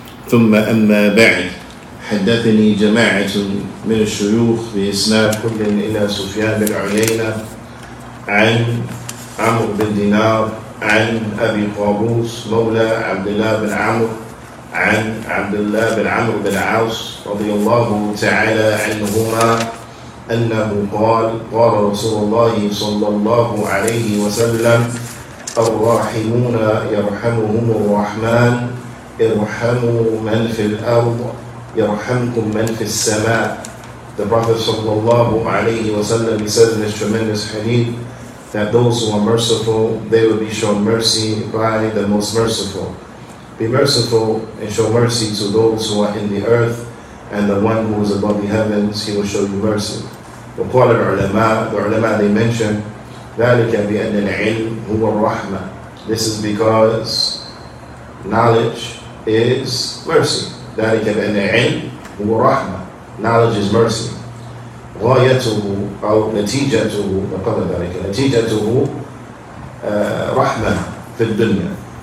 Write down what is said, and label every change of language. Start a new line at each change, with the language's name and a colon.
Arabic: ثم أما بعد، حدثني جماعة من الشيوخ بإسناد كل إلى سفيان بن عيينة عن عمرو بن دينار عن أبي قابوس مولى عبد الله بن عمرو عن عبد الله بن عمرو بن عوص رضي الله تعالى عنهما أنه قال: قال رسول الله صلى الله عليه وسلم: الراحمون يرحمهم الرحمن، ارحموا من في الأرض يرحمكم من في السماء.
English: The Prophet صلى الله عليه وسلم said in this tremendous hadith that those who are merciful, they will be shown mercy by the most merciful. Be merciful and show mercy to those who are in the earth, and the one who is above the heavens, he will show you mercy.
Arabic: وقال العلماء,
English: the ulama, they mentioned,
Arabic: ذلك بأن العلم هو الرحمة.
English: This is because knowledge is mercy.
Arabic: ذلك بأن العلم هو الرحمة.
English: Knowledge is mercy.
Arabic: غايته أو نتيجته لقد ذلك نتيجته رحمة في الدنيا.